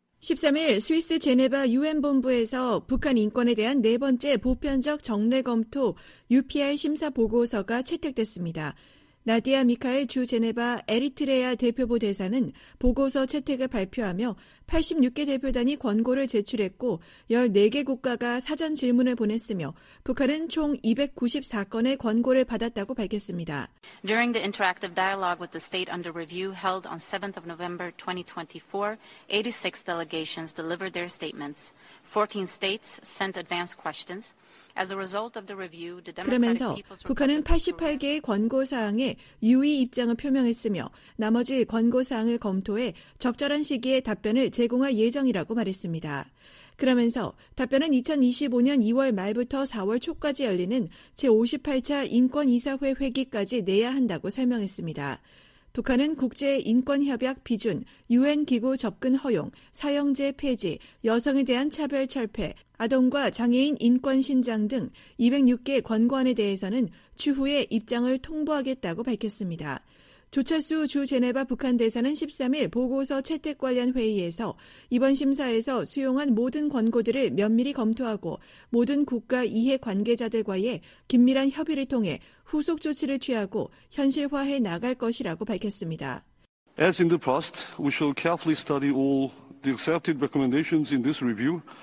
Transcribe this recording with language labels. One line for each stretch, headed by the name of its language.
Korean: 13일 스위스 제네바 유엔 본부에서 북한 인권에 대한 네 번째 보편적 정례 검토 UPI 심사 보고서가 채택됐습니다. 나디아 미카엘 주 제네바 에리트레아 대표부 대사는 보고서 채택을 발표하며 86개 대표단이 권고를 제출했고 14개 국가가 사전 질문을 보냈으며 북한은 총 294건의 권고를 받았다고 밝혔습니다.
English: During the interactive dialogue with the state under review held on 7th of November 2024, 86 delegations delivered their statements. 14 states sent advance questions.
Korean: 그러면서 북한은 88개의 권고사항에 유의 입장을 표명했으며 나머지 권고사항을 검토해 적절한 시기에 답변을 제공할 예정이라고 말했습니다. 그러면서 답변은 2025년 2월 말부터 4월 초까지 열리는 제58차 인권이사회 회기까지 내야 한다고 설명했습니다. 북한은 국제인권협약 비준, 유엔기구 접근 허용, 사형제 폐지, 여성에 대한 차별 철폐, 아동과 장애인 인권신장 등 206개 권고안에 대해서는 추후에 입장을 통보하겠다고 밝혔습니다. 조철수 주 제네바 북한 대사는 13일 보고서 채택 관련 회의에서 이번 심사에서 수용한 모든 권고들을 면밀히 검토하고 모든 국가 이해 관계자들과의 긴밀한 협의를 통해 후속 조치를 취하고 현실화해 나갈 것이라고 밝혔습니다.
English: As in the past, we shall carefully study all the accepted recommendations in this review.